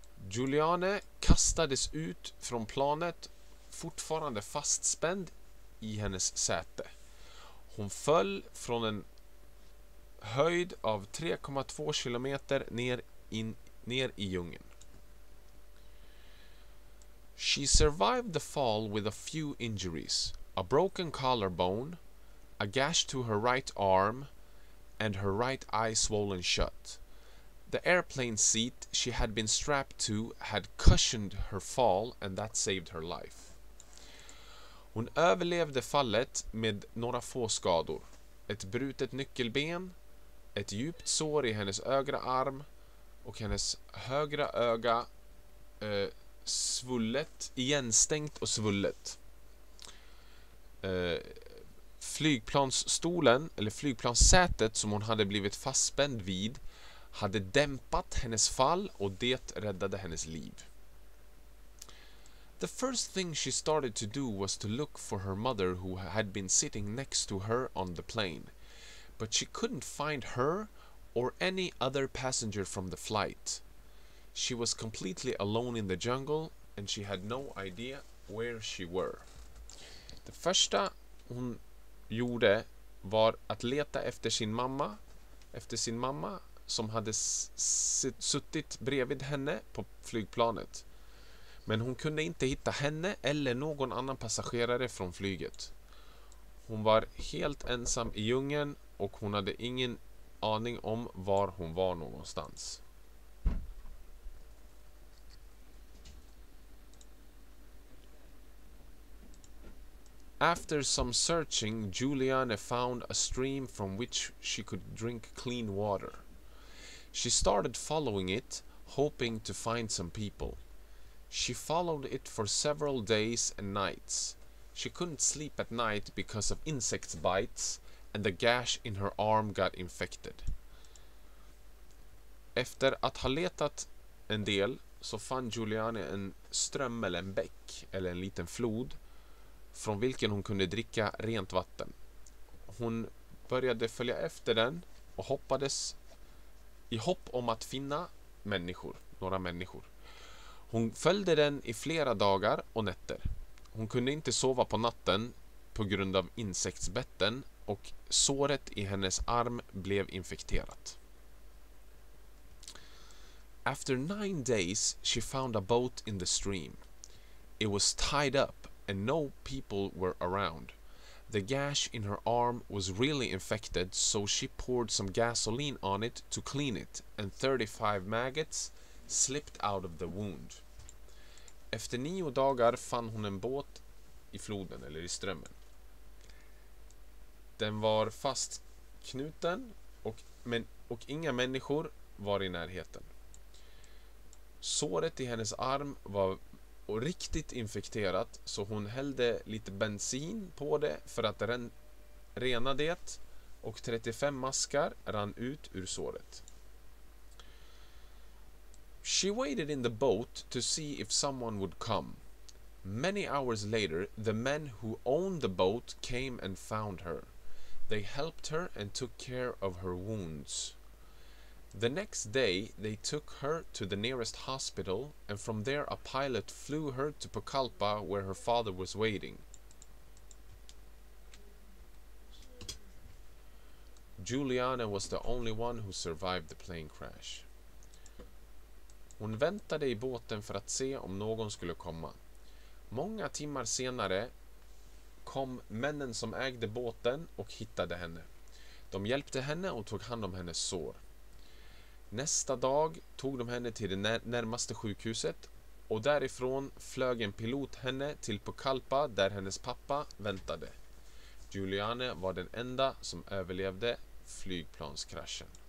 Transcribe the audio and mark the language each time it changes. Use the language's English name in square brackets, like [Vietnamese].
[Swedish] Juliane kastades ut från planet, fortfarande fastspänd i hennes säte. Hon föll från en höjd av 3,2 kilometer ner i djungeln. [English] She survived the fall with a few injuries, a broken collarbone, a gash to her right arm and her right eye swollen shut. The airplane seat she had been strapped to had cushioned her fall and that saved her life. [Swedish] Hon överlevde fallet med några få skador, ett brutet nyckelben, ett djupt sår i hennes högra arm och hennes högra öga svullet, igenstängt och svullet. Flygplansstolen eller flygplanssätet som hon hade blivit fastspänd vid hade dämpat hennes fall och det räddade hennes liv. [English] The first thing she started to do was to look for her mother who had been sitting next to her on the plane. But she couldn't find her or any other passenger from the flight. She was completely alone in the jungle and she had no idea where she were. [Swedish] Det första hon gjorde var att leta efter sin mamma som hade suttit bredvid henne på flygplanet. Men hon kunde inte hitta henne eller någon annan passagerare från flyget. Hon var helt ensam i djungeln och hon hade ingen aning om var hon var någonstans. [English] After some searching, Juliane found a stream from which she could drink clean water. She started following it, hoping to find some people. She followed it for several days and nights. She couldn't sleep at night because of insect bites, and the gash in her arm got infected. [Swedish] Efter att ha letat en del så fann Juliane en ström eller en bäck eller en liten flod från vilken hon kunde dricka rent vatten. Hon började följa efter den och hoppades i hopp om att finna människor, några människor. Hon följde den i flera dagar och nätter. Hon kunde inte sova på natten på grund av insektsbetten och såret i hennes arm blev infekterat. [English] After 9 days she found a boat in the stream. It was tied up and no people were around. The gash in her arm was really infected, so she poured some gasoline on it to clean it and 35 maggots slipped out of the wound. [Swedish] Efter 9 dagar fann hon en båt i floden eller i strömmen. Den var fastknuten och inga människor var i närheten. Såret i hennes arm var riktigt infekterat, så hon hällde lite bensin på det för att rena det och 35 maskar rann ut ur såret. [English] She waited in the boat to see if someone would come. Many hours later, the men who owned the boat came and found her. They helped her and took care of her wounds. The next day, they took her to the nearest hospital, and from there a pilot flew her to Koepcke, where her father was waiting. Juliane was the only one who survived the plane crash. [Swedish] Hon väntade i båten för att se om någon skulle komma. Många timmar senare kom männen som ägde båten och hittade henne. De hjälpte henne och tog hand om hennes sår. Nästa dag tog de henne till det närmaste sjukhuset och därifrån flög en pilot henne till Koepcke där hennes pappa väntade. Juliane var den enda som överlevde flygplanskraschen.